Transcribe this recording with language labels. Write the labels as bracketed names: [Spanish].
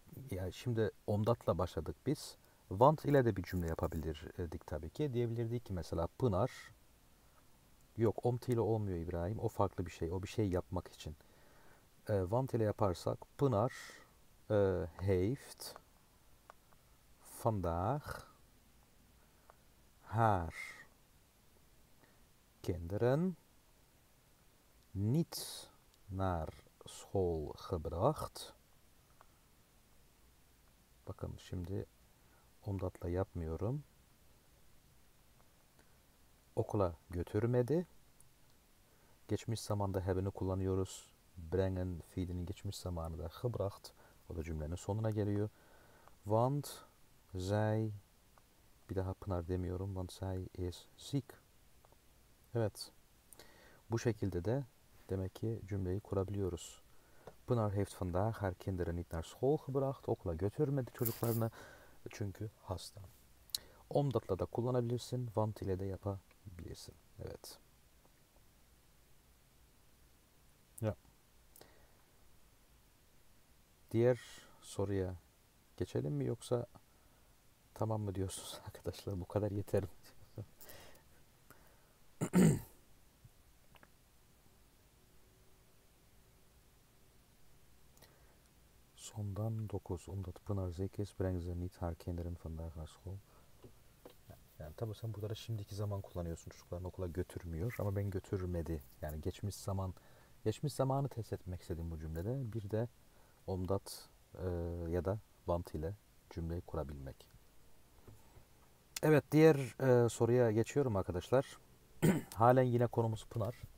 [Turkish] Yani şimdi omdatla başladık biz. Want ile de bir cümle yapabilirdik tabii ki. Diyebilirdik ki mesela Pınar. Yok, omt ile olmuyor İbrahim. O farklı bir şey. O bir şey yapmak için. Want ile yaparsak [Dutch] Pınar heeft vandaag haar kinderen niet naar school gebracht. [Turkish] Bakın şimdi omdatla yapmıyorum. Okula götürmedi. Geçmiş zamanda have'ini kullanıyoruz. Bringen fiilinin geçmiş zamanı da gebracht. O da cümlenin sonuna geliyor. [Dutch] Want zij [Turkish] bir daha Pınar demiyorum. [Dutch] Want zij is sick. Evet. [Turkish] Bu şekilde de demek ki cümleyi kurabiliyoruz. [Dutch] Pınar heeft vandaag haar kinderen niet naar school gebracht. [Turkish] Okula götürmedi çocuklarını. Çünkü hasta. Omdatla da kullanabilirsin. Want ile de yapabilirsin. Evet. Diğer soruya geçelim mi yoksa tamam mı diyorsunuz arkadaşlar? Bu kadar yeter mi? Sondan 9. [Dutch] Omdat Pınar Zeykes brengt ze niet haar kinderen vandaag naar school. [Turkish] Yani tabii sen burada da şimdiki zaman kullanıyorsun. Çocuklarını okula götürmüyor ama ben götürmedi. Yani geçmiş zamanı test etmek istedim bu cümlede. Bir de omdat ya da want ile cümleyi kurabilmek. Evet, diğer soruya geçiyorum arkadaşlar. Halen yine konumuz Pınar.